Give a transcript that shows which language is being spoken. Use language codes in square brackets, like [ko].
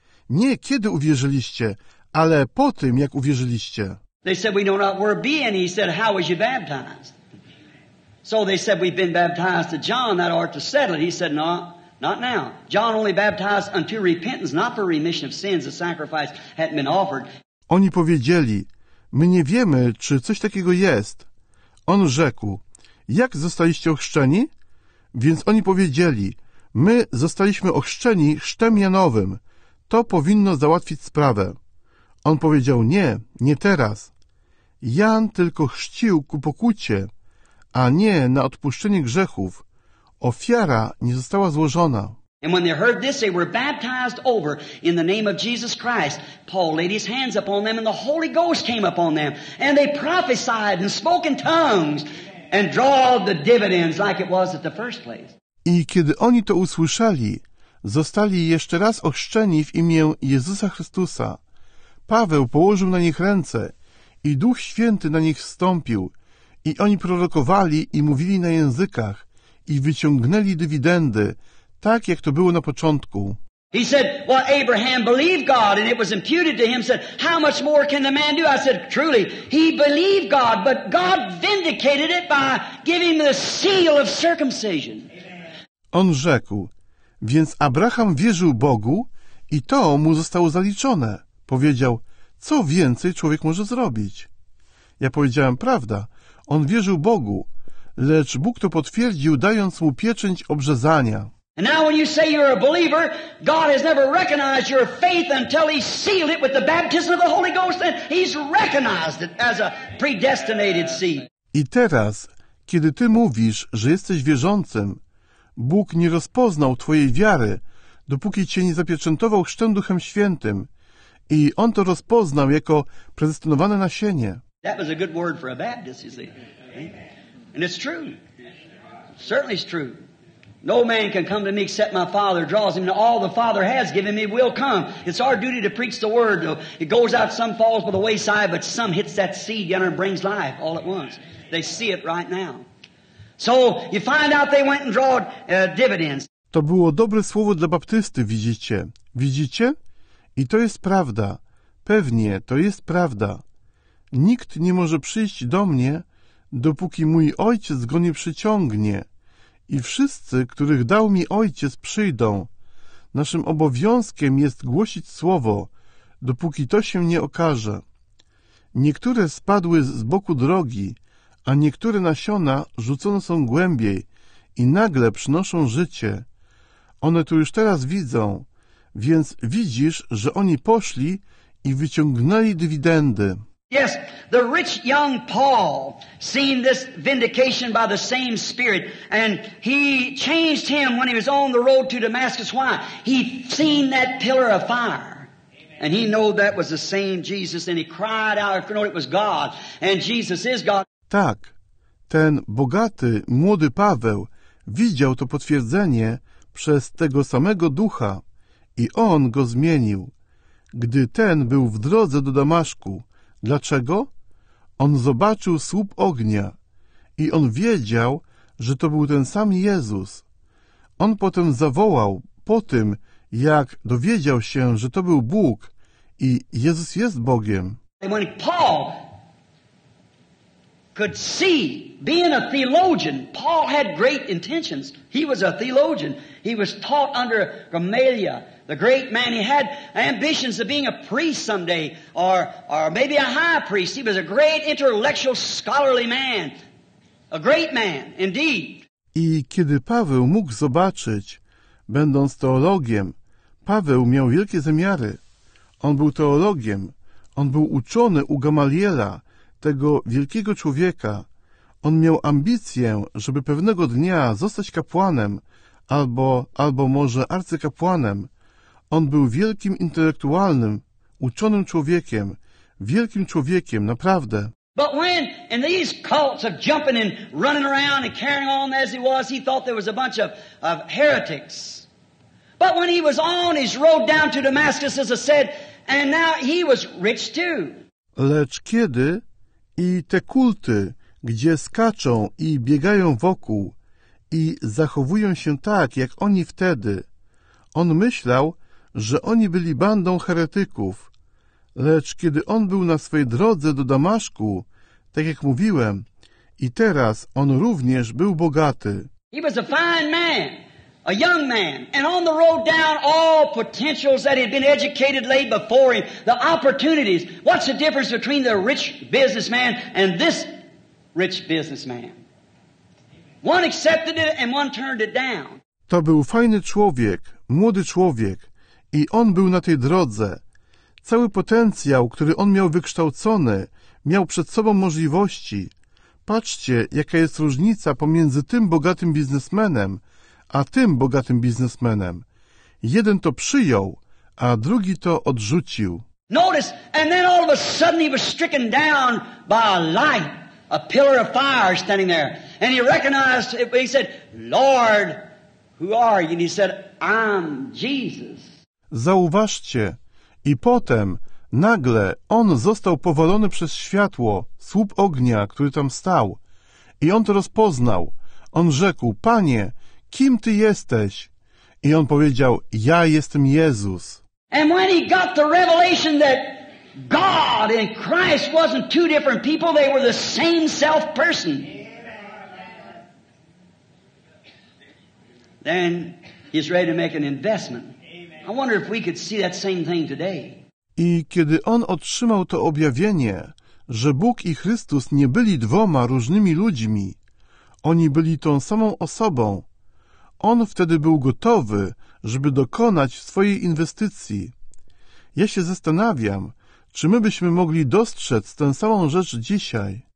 [pl] Nie kiedy uwierzyliście, ale po tym, jak uwierzyliście. [en] They said, we know not where be, and he said, how was you baptized? So they said, we've been baptized to John, that art to settle it. He said, no, not now. John only baptized unto repentance, not for remission of sins, the sacrifice hadn't been offered. [pl] Oni powiedzieli, my nie wiemy, czy coś takiego jest. On rzekł, jak zostaliście ochrzczeni? Więc oni powiedzieli, my zostaliśmy ochrzczeni chrztem Janowym. To powinno załatwić sprawę. On powiedział, nie, nie teraz. Jan tylko chrzcił ku pokucie, a nie na odpuszczenie grzechów. Ofiara nie została złożona. [en] And when they heard this, they were baptized over in the name of Jesus Christ. Paul laid his hands upon them and the Holy Ghost came upon them. And they prophesied and spoke in tongues and drawed the dividends like it was at the first place. [pl] I kiedy oni to usłyszeli, zostali jeszcze raz ochrzczeni w imię Jezusa Chrystusa. Paweł położył na nich ręce i Duch Święty na nich wstąpił. I oni prorokowali i mówili na językach i wyciągnęli dywidendy, tak jak to było na początku. [en] He said, well, Abraham believed God and it was imputed to him. Said, how much more can the man do? I said, truly, he believed God, but God vindicated it by giving the seal of circumcision. [pl] On rzekł, więc Abraham wierzył Bogu i to mu zostało zaliczone. Powiedział, co więcej człowiek może zrobić? Ja powiedziałem, prawda, on wierzył Bogu, lecz Bóg to potwierdził, dając mu pieczęć obrzezania. [en] And now when you say you're a believer, God has never recognized your faith until he sealed it with the baptism of the Holy Ghost, and he's recognized it as a predestinated seed. [pl] I teraz, kiedy ty mówisz, że jesteś wierzącym, Bóg nie rozpoznał twojej wiary, dopóki cię nie zapieczętował chrztem Duchem Świętym, i on to rozpoznał jako predestynowane nasienie. [en] That was a good word for a Baptist, you see. And it's true. Certainly it's true. No man can come to me except my Father draws him. All the Father has given me will come. It's our duty to preach the word. It goes out, some falls by the wayside, but some hits that seed, you know, and brings life all at once. They see it right now. So you find out they went and drawed dividends. [pl] To było dobre słowo dla Baptysty, widzicie. Widzicie? I to jest prawda. Pewnie to jest prawda. Nikt nie może przyjść do mnie, dopóki mój Ojciec go nie przyciągnie. I wszyscy, których dał mi Ojciec, przyjdą. Naszym obowiązkiem jest głosić słowo, dopóki to się nie okaże. Niektóre spadły z boku drogi, a niektóre nasiona rzucone są głębiej i nagle przynoszą życie. One tu już teraz widzą, więc widzisz, że oni poszli i wyciągnęli dywidendy. [en] Yes, the rich young Paul seen this vindication by the same Spirit, and he changed him when he was on the road to Damascus. Why? He seen that pillar of fire, and he knew that was the same Jesus, and he cried out, if you know it was God, and Jesus is God. [pl] Tak, ten bogaty, młody Paweł widział to potwierdzenie przez tego samego ducha i on go zmienił. Gdy ten był w drodze do Damaszku, dlaczego? On zobaczył słup ognia i on wiedział, że to był ten sam Jezus. On potem zawołał, po tym, jak dowiedział się, że to był Bóg i Jezus jest Bogiem. [en] When Paul could see, being a theologian, Paul had great intentions. He was a theologian. He was taught under Gamaliel. The great man, he had ambitions of being a priest someday, or maybe a high priest. He was a great intellectual, scholarly man. A great man, indeed. [pl] I kiedy Paweł mógł zobaczyć, będąc teologiem, Paweł miał wielkie zamiary. On był teologiem. On był uczony u Gamaliela, tego wielkiego człowieka. On miał ambicję, żeby pewnego dnia zostać kapłanem, albo może arcykapłanem. On był wielkim intelektualnym, uczonym człowiekiem, wielkim człowiekiem, naprawdę. [en] But when in these cults of jumping and running around and carrying on as he was, he thought there was a bunch of heretics. But when he was on his road down to Damascus, as I said, and now he was rich too. [pl] Lecz kiedy i te kulty, gdzie skaczą i biegają wokół i zachowują się tak, jak oni wtedy, on myślał, że oni byli bandą heretyków. Lecz kiedy on był na swej drodze do Damaszku, tak jak mówiłem, i teraz on również był bogaty. [en] He was a fine man, a young man, and on the road down all potentials that had been educated laid before him, the opportunities. What's the difference between the rich businessman and this rich businessman? One accepted it and one turned it down. [pl] To był fajny człowiek, młody człowiek, i on był na tej drodze. Cały potencjał, który on miał wykształcony, miał przed sobą możliwości. Patrzcie, jaka jest różnica pomiędzy tym bogatym biznesmenem, a tym bogatym biznesmenem. Jeden to przyjął, a drugi to odrzucił. [en] Notice, and then all of a sudden he was stricken down by a light, a pillar of fire standing there. And he recognized it, he said, Lord, who are you? And he said, I'm Jesus. [pl] Zauważcie, i potem nagle on został powalony przez światło, słup ognia, który tam stał. I on to rozpoznał. On rzekł, Panie, kim Ty jesteś? I on powiedział, ja jestem Jezus. [en] And when he got the revelation that God and Christ wasn't two different people, they were the same self person. Then he's ready to make an investment. I wonder if we could see that same thing today. [pl] I kiedy on otrzymał to objawienie, że Bóg i Chrystus nie byli dwoma różnymi ludźmi, oni byli tą samą osobą, on wtedy był gotowy, żeby dokonać swojej inwestycji. Ja się zastanawiam, czy my byśmy mogli dostrzec tę samą rzecz dzisiaj.